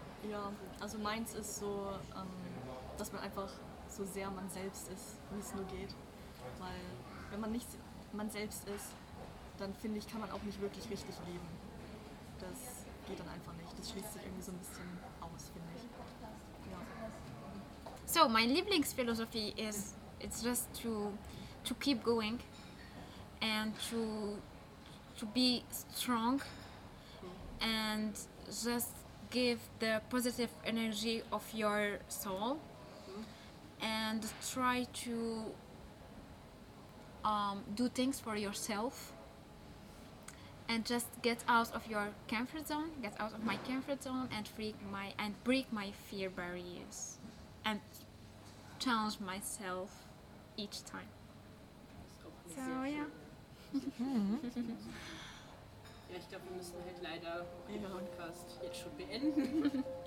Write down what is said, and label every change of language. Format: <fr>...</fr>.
<de>Ja, also meins ist so, dass man einfach so sehr man selbst ist, wie es nur geht. Weil wenn man nicht man selbst ist, dann finde ich, kann man auch nicht wirklich richtig leben. Das geht dann einfach nicht. Das schließt sich irgendwie so ein bisschen aus, finde ich. Ja.</de> <en>So, meine Lieblingsphilosophie ist, it's just to keep going. And to be strong and just give the positive energy of your soul and try to do things for yourself and just get out of your comfort zone, get out of my comfort zone and break my fear barriers and challenge myself each time. So yeah.</en> <de>Ja, ich glaube, wir müssen halt leider den Podcast jetzt schon beenden.</de>